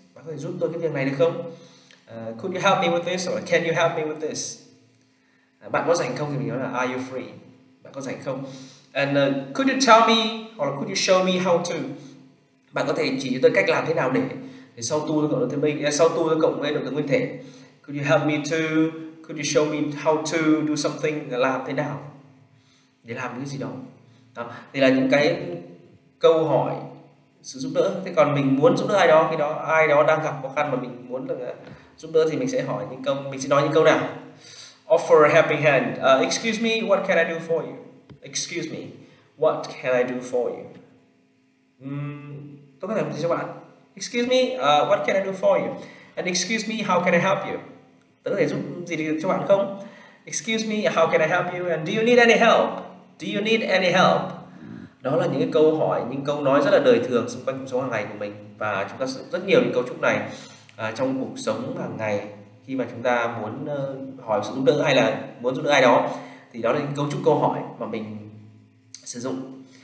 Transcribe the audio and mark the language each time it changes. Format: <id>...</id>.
<vi>Bạn có thể giúp tôi cái việc này được không?</vi> <en>Could you help me with this? Or can you help me with this?</en> <vi>Bạn có rảnh không thì mình nói là</vi> <en>are you free?</en> <vi>Bạn có rảnh không?</vi> <en>And could you tell me or could you show me how to?</en> <vi>Bạn có thể chỉ cho tôi cách làm thế nào để sau tour tôi cộng được thêm mình, sau tour tôi cộng với được nguyên thể.</vi> <en>Could you help me to? Could you show me how to do something?</en> <vi>Làm thế nào? Để làm cái gì đó. Đó. Thì là những cái câu hỏi sự giúp đỡ. Thế còn mình muốn giúp đỡ ai đó, khi đó ai đó đang gặp khó khăn mà mình muốn được giúp đỡ thì mình sẽ hỏi những câu, mình sẽ nói những câu nào.</vi> <en>Offer a helping hand. Excuse me, what can I do for you? Excuse me, what can I do for you?</en> <vi>Tôi có thể làm gì cho bạn?</vi> <en>Excuse me, what can I do for you? And excuse me, how can I help you?</en> <vi>Tôi có thể giúp gì được cho bạn không?</vi> <en>Excuse me, how can I help you? And do you need any help?</en> <vi>Do you need any help? Đó là những cái câu hỏi, những câu nói rất là đời thường xung quanh cuộc sống hàng ngày của mình. Và chúng ta sử dụng rất nhiều những cấu trúc này trong cuộc sống hàng ngày. Khi mà chúng ta muốn hỏi sự giúp đỡ hay là muốn giúp đỡ ai đó, thì đó là những cấu trúc câu hỏi mà mình sử dụng.</vi>